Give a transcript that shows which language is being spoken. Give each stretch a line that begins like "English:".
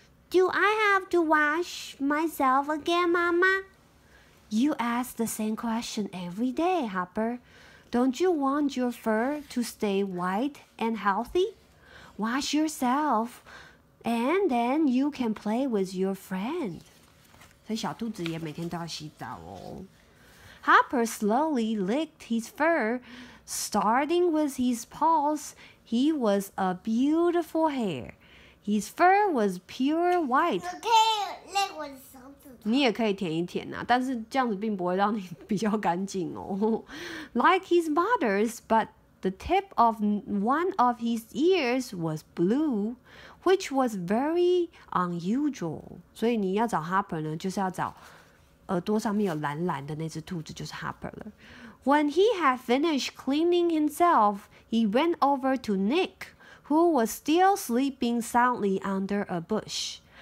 English: Do I have to wash myself again, Mama? You ask the same question every day, Hopper. Don't you want your fur to stay white and healthy? Wash yourself, and then you can play with your friend.
Chinese: 所以小兔子也每天都要洗澡哦。
English: Hopper slowly licked his fur, starting with his paws. He was a beautiful hare. His fur was pure white.
Chinese: 我可以 lick 我的手指头。你也可以舔一舔啊，但是这样子并不会让你比较干净哦。
English: Like his mother's, but the tip of one of his ears was blue, which was very unusual.
Chinese: 所以你要找 Hopper 呢，就是要找耳朵上面有蓝蓝的那只兔子，就是 Hopper 了。
English: When he had finished cleaning himself, he went over to Nick, who was still sleeping soundly under a bush.